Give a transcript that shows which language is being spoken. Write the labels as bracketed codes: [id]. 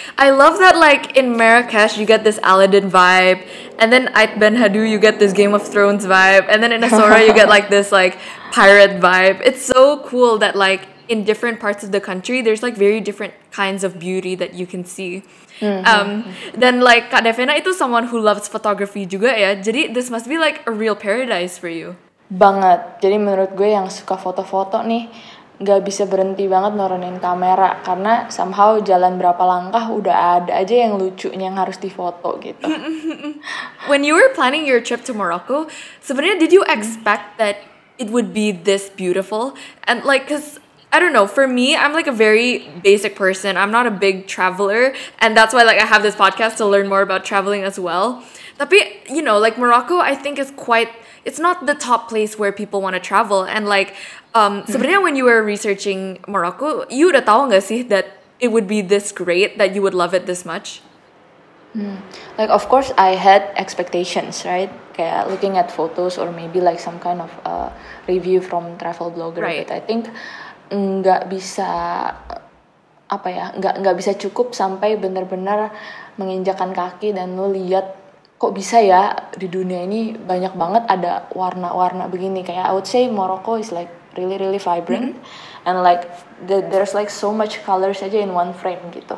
[en] I love that like in Marrakesh you get this Aladdin vibe, and then Ait Ben Haddou you get this Game of Thrones vibe, and then in Essaouira you get like this like pirate vibe. It's so cool that like in different parts of the country there's like very different kinds of beauty that you can see. Then like Kak Devena itu someone who loves photography juga ya. Jadi this must be like a real paradise for you. [id] Banget. Jadi menurut gue yang suka foto-foto nih gak bisa berhenti banget nurunin kamera karena somehow jalan berapa langkah udah ada aja yang lucunya yang harus difoto gitu. [en] When you were planning your trip to Morocco, sebenarnya did you expect that it would be this beautiful? And like, cause I don't know, for me, I'm like a very basic person. I'm not a big traveler, and that's why like I have this podcast to learn more about traveling as well. But you know, like Morocco, I think is quite, it's not the top place where people want to travel. And like, sebenarnya when you were researching Morocco, you [id] udah tahu gak sih [en] that it would be this great, that you would love it this much? Like, of course, I had expectations, right? Kayak looking at photos or maybe like some kind of review from travel blogger. Right. [id] But I think nggak bisa, apa ya, nggak bisa cukup sampai benar-benar menginjakan kaki dan lo lihat kok bisa ya di dunia ini banyak banget ada warna-warna begini. [en] Kayak I would say Morocco is like really really vibrant, and like there's like so much colors aja in one frame gitu.